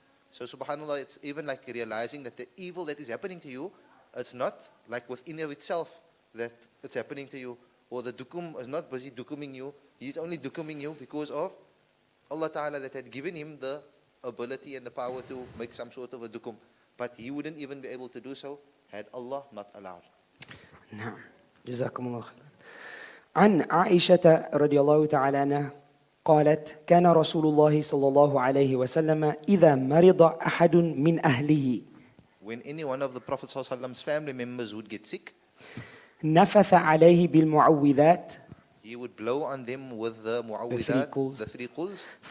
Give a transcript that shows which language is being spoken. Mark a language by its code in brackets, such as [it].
[en] So subhanAllah, it's even like realizing that the evil that is happening to you, it's not like within of itself that it's happening to you. Or the dukum is not busy dukuming you. He's only dukuming you because of Allah Ta'ala that had given him the ability and the power to make some sort of a dukum. But he wouldn't even be able to do so had Allah not allowed. Naam. Jazakumullah. [ar] An Aisha radiallahu ta'ala anha قالت كان رسول الله صلى الله عليه وسلم إذا مرض أحد من أهله [en] when any one of the Prophet صلى الله عليه وسلم's family members would get sick [ar] نفث عليه بالمعوذات [en] he would blow on them with the معوذات the three calls